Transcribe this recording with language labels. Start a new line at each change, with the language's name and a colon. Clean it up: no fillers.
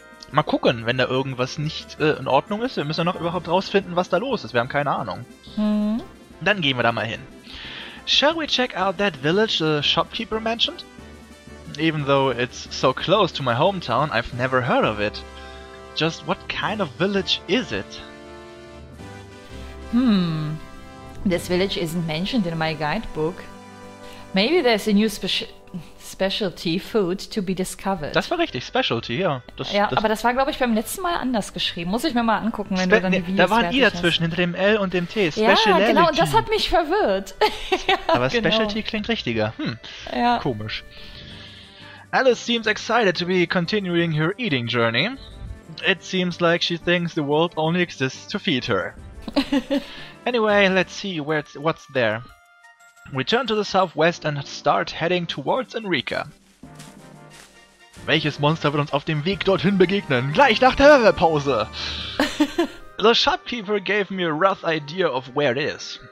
German: Mal gucken, wenn da irgendwas nicht in Ordnung ist. Wir müssen ja noch überhaupt rausfinden, was da los ist. Wir haben keine Ahnung. Dann gehen wir da mal hin.
English: Shall we check out that village the shopkeeper mentioned? Even though it's so close to my hometown, I've never heard of it. Just what kind of village is it? This village isn't mentioned in my guidebook. Maybe there's a new specialty food to be discovered.
German: Das war richtig, Specialty, ja. Aber das war, glaube ich, beim letzten Mal anders geschrieben. Muss ich mir mal angucken, wenn du dann die Videos fertig hast. Da war ein I dazwischen, hinter dem L und dem T.
English: Speciality.
German: Ja, genau, und das hat mich verwirrt. Ja, aber Specialty klingt richtiger. Ja. Komisch.
English: Alice seems excited to be continuing her eating journey. It seems like she thinks the world only exists to feed her. Anyway, let's see what's there. We turn to the southwest and start heading towards Enrica.
German: Welches Monster wird uns auf dem Weg dorthin begegnen? Gleich nach der Werbepause!
English: The shopkeeper gave me a rough idea of where it is.